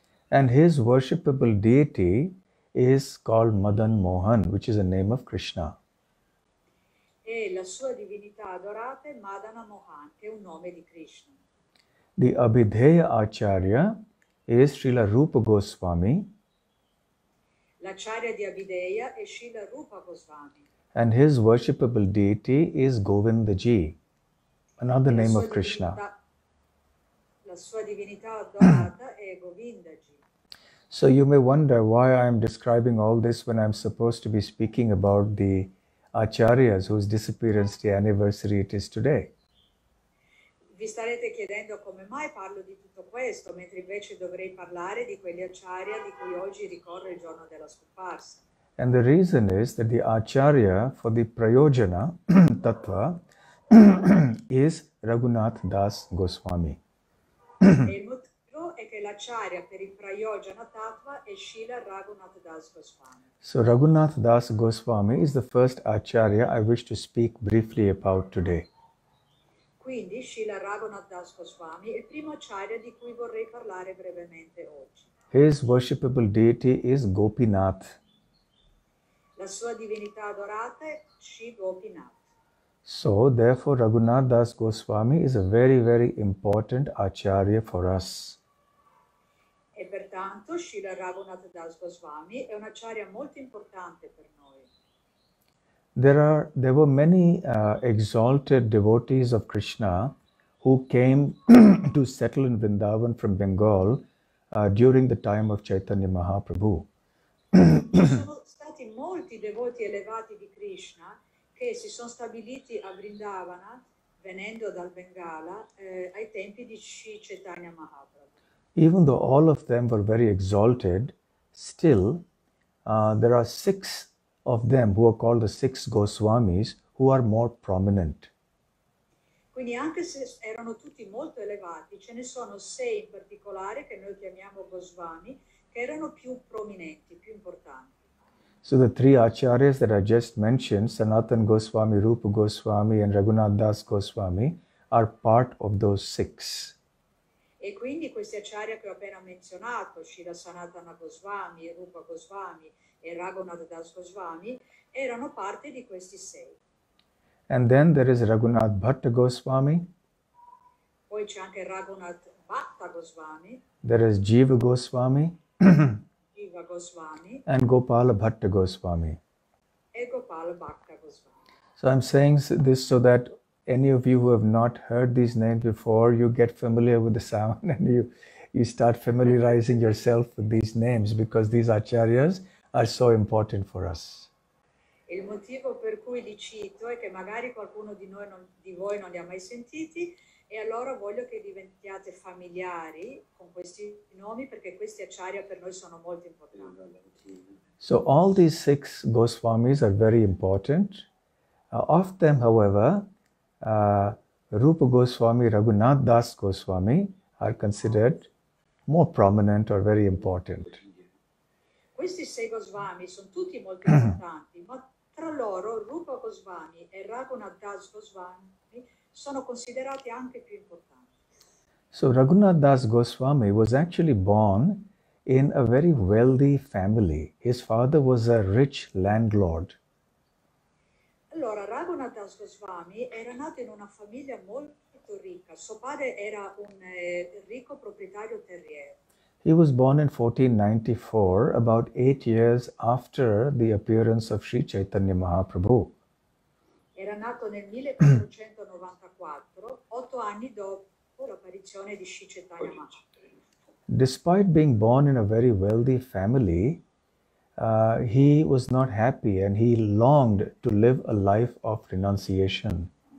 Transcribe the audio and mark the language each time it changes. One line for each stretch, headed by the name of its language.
English: And his worshipable deity is called Madan Mohan, which is a name of Krishna.
Italian: E la sua divinità adorata è Madana Mohan, che è un nome di Krishna.
English: The Abhidheya Acharya is Srila Rupa Goswami.
Italian: L'acharya di Abhideya è Srila Rupa Goswami.
English: And his worshipable deity is Govindaji, another name of Krishna.
Italian: La sua divinità adorata è Govindaji.
English: So you may wonder why I am describing all this when I am supposed to be speaking about the acharyas whose disappearance day anniversary it is today.
Italian: Vi starete chiedendo come mai parlo di tutto questo, mentre invece dovrei parlare di quegli acharya di cui oggi ricorre il giorno della scomparsa.
English: And the reason is that the acharya for the prayojana tattva is Raghunath Das Goswami.
Italian: Il motivo è che l'acharya per il prayojana tattva è Srila Raghunath Das Goswami.
English: So Raghunath Das Goswami is the first acharya I wish to speak briefly about today.
Italian: Quindi Srila Raghunath Das Goswami è il primo acharya di cui vorrei parlare brevemente oggi.
English: His worshipable deity is Gopinath.
Italian: La sua divinità adorata è Sri Gopinath.
English: So therefore Raghunath Das Goswami is a very very important acharya for us.
Italian: E pertanto Srila Raghunath Das Goswami è un acharya molto importante per noi.
English: There were many exalted devotees of Krishna who came to settle in Vrindavan from Bengal during the time of Chaitanya Mahaprabhu.
Italian: Sono stati molti devoti elevati di Krishna che si sono stabiliti a Vrindavana venendo dal Bengala ai tempi di Sri Chaitanya Mahaprabhu.
English: Even though all of them were very exalted, still there are six of them who are called the six Goswamis who are more prominent.
Italian: Quindi anche se erano tutti molto elevati, ce ne sono sei in particolare che noi chiamiamo Goswami che erano più prominenti, più importanti.
English: So the three acharyas that I just mentioned, Sanatan Goswami, Rupa Goswami and Raghunath Das Goswami, are part of those six.
Italian: E quindi questi acharya che ho appena menzionato, Srila Sanatana Goswami e Rupa Goswami e Raghunath Das Goswami, erano parte di questi sei.
English: And then there is Raghunath Bhat Goswami.
Italian: Poi c'è anche Raghunath Bhat Goswami.
English: There is Jiva Goswami.
Italian: Jiva Goswami.
English: And Gopala Bhat Goswami.
Italian: E Gopala Bhat Goswami.
English: So I'm saying this so that any of you who have not heard these names before, you get familiar with the sound and you start familiarizing yourself with these names, because these acharyas are so important for us.
Italian: Il motivo per cui li cito è che magari qualcuno di noi non, di voi non li ha mai sentiti, e allora voglio che diventiate familiari con questi nomi, perché questi acharya per noi sono molto importanti.
English: So all these six Goswamis are very important. Of them, however, Rupa Goswami, Raghunath Das Goswami are considered more prominent or very important.
Italian: Questi sei Goswami sono tutti molto importanti, ma tra loro Rupa Goswami e Raghunath Das Goswami sono considerati anche più importanti.
English: So Raghunath Das Goswami was actually born in a very wealthy family. His father was a rich landlord.
Italian: Allora, Raghunath Das Goswami era nato in una famiglia molto ricca. Suo padre era un ricco proprietario terriero.
English: He was born in 1494, about 8 years after the appearance of Sri Chaitanya Mahaprabhu.
Italian: Era nato nel 1494, 8 anni dopo l'apparizione di Sri Chaitanya Mahaprabhu.
English: Despite being born in a very wealthy family, he was not happy and he longed to live a life of renunciation.